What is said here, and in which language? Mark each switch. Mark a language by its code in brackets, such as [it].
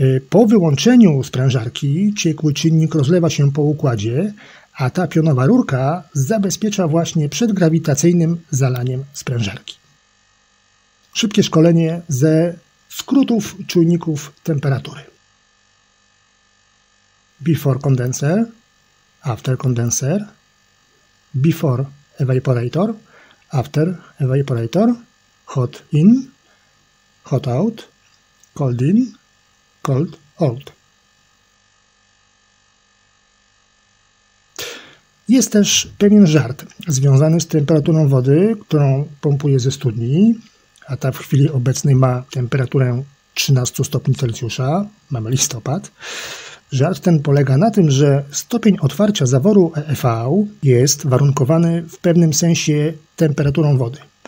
[pl] Po wyłączeniu sprężarki ciekły czynnik rozlewa się po układzie, a ta pionowa rurka zabezpiecza właśnie przed grawitacyjnym zalaniem sprężarki. Szybkie szkolenie ze skrótów czujników temperatury. [en] Before condenser, after condenser, before evaporator, after evaporator, hot in, hot out, cold in, cold out. [pl] Jest też pewien żart związany z temperaturą wody, którą pompuję ze studni, a ta w chwili obecnej ma temperaturę 13 stopni Celsjusza, mamy listopad. Żart ten polega na tym, że stopień otwarcia zaworu EFV jest warunkowany w pewnym sensie temperaturą wody.